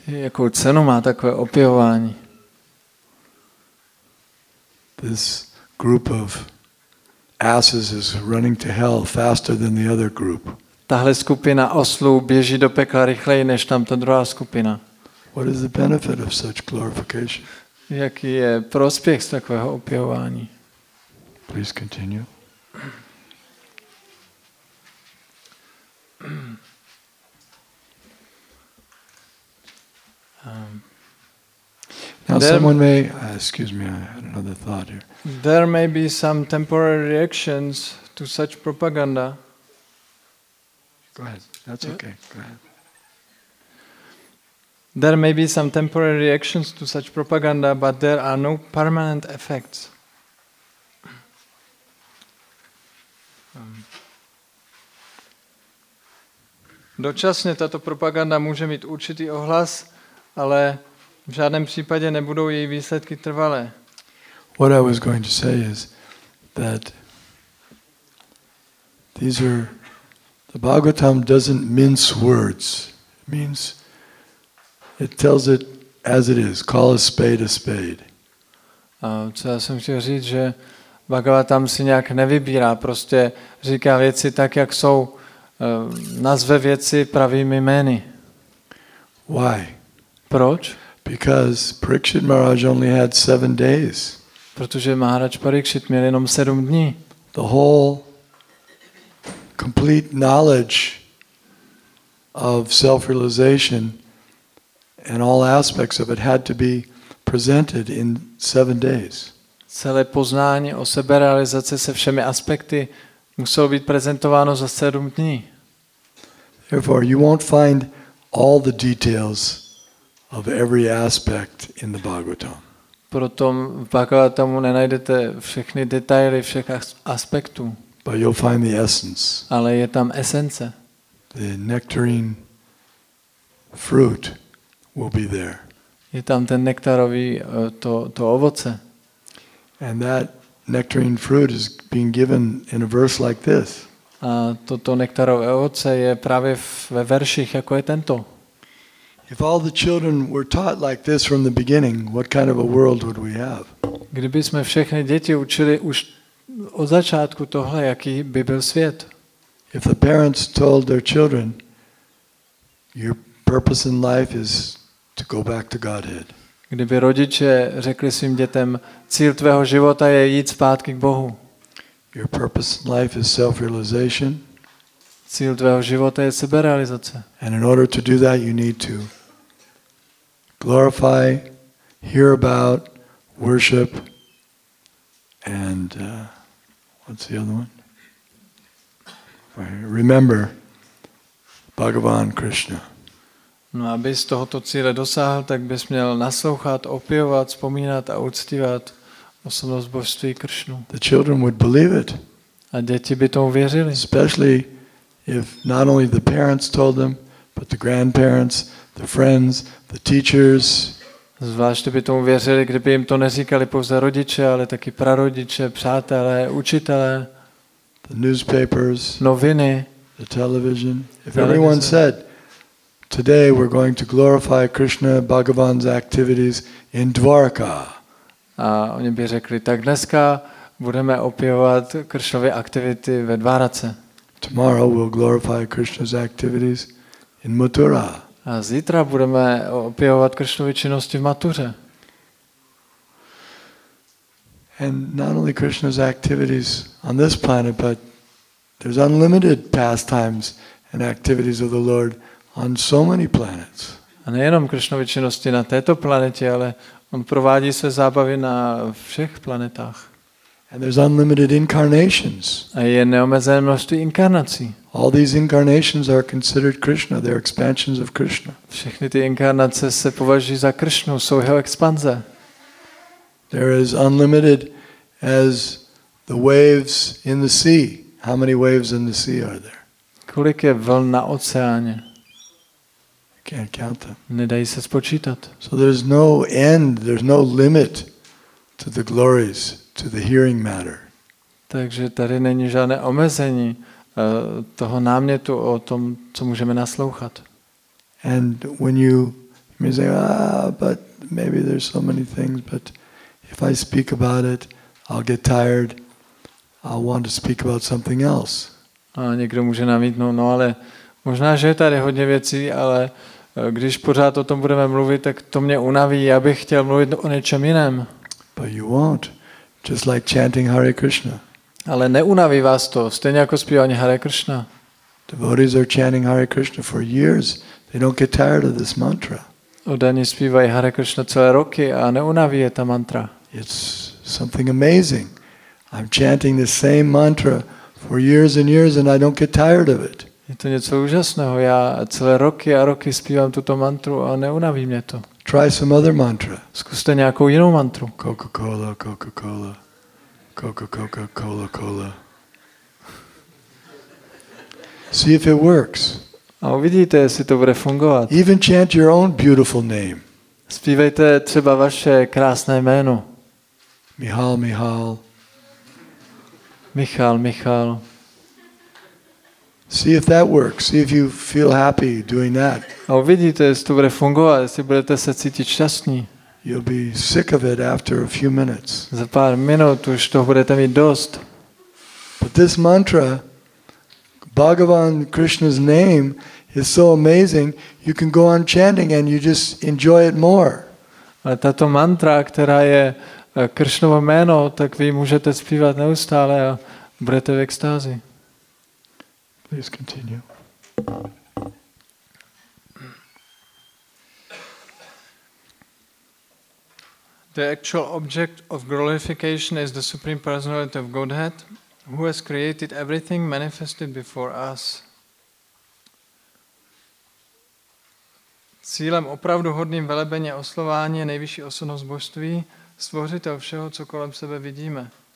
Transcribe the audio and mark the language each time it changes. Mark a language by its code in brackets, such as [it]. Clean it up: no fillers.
[cs] Jakou cenu má takové opěvování? [en] This group of asses is running to hell faster than the other group. [cs] Tahle skupina oslů běží do pekla rychleji než tamto druhá skupina. [en] What is the benefit of such glorification? [cs] Jaký je prospěch z takového opěvování? [en] Please continue. Now someone may, excuse me, I had another thought here. There may be some temporary reactions to such propaganda. Go ahead. That's okay. Go ahead. There may be some temporary reactions to such propaganda, but there are no permanent effects. [cs] Dočasně tato propaganda může mít určitý ohlas, ale v žádném případě nebudou její výsledky trvalé. [en] What I was going to say is that these are the Bhagavatam doesn't mince words. It means it tells it as it is. Call a spade a spade. [cs] A co já jsem chtěl říct, že Bhagavatam si nějak nevybírá, prostě říká věci tak, jak jsou, nazve věci pravými jmény. [en] Why? [cs] Proč? [en] Because Parikshit Maharaj only had 7 days. [cs] Protože Maharaj Parikshit měl jenom 7 dní. [en] The whole complete knowledge of self-realization and all aspects of it had to be presented in 7 days. [cs] Celé poznání o seberealizaci se všemi aspekty muselo být prezentováno za 7 dní. [en] Therefore, you won't find all the details of every aspect in the Bhagavatam. [cs] Proto v Bhagavatamu nenajdete všechny detaily všech aspektů. [en] But you'll find the essence. [cs] Ale je tam esence. [en] The nectarine fruit will be there. [cs] Je tam ten nektarový to ovoce. [en] And that nectarine fruit is being given in a verse like this. [cs] A toto nektarové ovoce je právě ve verších jako je tento. [en] If all the children were taught like this from the beginning, what kind of a world would we have? [cs] Kdyby jsme všechny děti učili už od začátku tohle, jaký by byl svět? [en] If the parents told their children, your purpose in life is to go back to Godhead. [cs] Kdyby rodiče řekli svým dětem, cíl tvého života je jít zpátky k Bohu. [en] Your purpose in life is self-realization. [cs] Cíl tvého života je seberealizace. [en] And in order to do that, you need to glorify, hear about, worship, and what's the other one? Remember Bhagavan Krishna. [cs] No, aby z tohoto cíle dosáhl, tak bys měl naslouchat, opěvovat, vzpomínat a uctívat osobnost božství Kršnu. [en] The children would believe it. [cs] A děti by tomu věřili. [en] Especially if not only the parents told them, but the grandparents, the friends, the teachers. [cs] Zvlášť by tomu věřili, kdyby jim to neříkali pouze rodiče, ale taky prarodiče, přátelé, učitelé. [en] The newspapers. [cs] Noviny. [en] The television. If everyone said, today we're going to glorify Krishna Bhagavan's activities in Dvarka. [cs] A oni by řekli, tak dneska budeme opěvovat Kršnovy aktivity ve Dvarce. [en] Tomorrow we'll glorify Krishna's activities in Mathura. [cs] A zítra budeme opěvovat Krišnovy činnosti v Mathuře. [en] And not only Krishna's activities on this planet, but there's unlimited pastimes and activities of the Lord on so many planets. [cs] A nejenom Krišnovy činnosti na této planetě, ale on provádí své zábavy na všech planetách. [en] And there's unlimited incarnations. [cs] A je neomezené množství inkarnací. [en] All these incarnations are considered Krishna, they're expansions of Krishna. [cs] Všechny ty inkarnace se považují za Krishnu, jsou jeho expanze. [en] There is unlimited as the waves in the sea. How many waves in the sea are there? [cs] Kolik je vln na oceáně? [en] Can't count them. [cs] Nedají se spočítat. [en] So there's no end, there's no limit to the glories, to the hearing matter. [cs] Takže tady není žádné omezení toho námětu o tom, co můžeme naslouchat. [en] And when you may say, but maybe there's so many things, but if I speak about it, I'll get tired. I'll want to speak about something else. [cs] A někdo může namítnout, no ale možná, že je tady hodně věcí, ale když pořád o tom budeme mluvit, tak to mě unaví, já bych chtěl mluvit o něčem jiném. [en] But you won't. Just like chanting Hare Krishna. [cs] Ale neunaví vás to, stejně jako zpívání Hare Krishna. [en] Devotees are chanting Hare Krishna for years. They don't get tired of this mantra. [cs] Oddaní zpívají Hare Krishna celé roky a neunaví je ta mantra. [en] It's something amazing. I'm chanting the same mantra for years and years and I don't get tired of it. [cs] Je to něco úžasného. Já celé roky a roky zpívám tuto mantru a neunaví mě to. [en] Try some other mantra. [cs] Zkuste nějakou jinou mantru. [en] Coca-Cola, Coca-Cola. Coca-Cola, Cola. See if it works. [cs] A uvidíte, jestli to bude fungovat. [en] Even chant your own beautiful name. [cs] Zpívejte třeba vaše krásné jméno. [en] Michal, Michal. Michal, Michal. See if that works. See if you feel happy doing that. [cs] A uvidíte, jestli to bude fungovat, jestli budete se cítit šťastní. [en] You'll be sick of it after a few minutes. [cs] Za pár minut už toho budete mít dost. [en] But this mantra, Bhagavan Krishna's name, is so amazing. You can go on chanting and you just enjoy it more. [cs] Ale tato mantra, která je Krishnovo jméno, tak vy můžete zpívat neustále a budete v extázi. [en] Please continue. The actual object of glorification is the Supreme Personality of Godhead, who has created everything manifested before us. [cs] Cílem opravdu hodným velebení a oslování je nejvyšší osobnost božství, stvořitel všeho, co kolem sebe vidíme.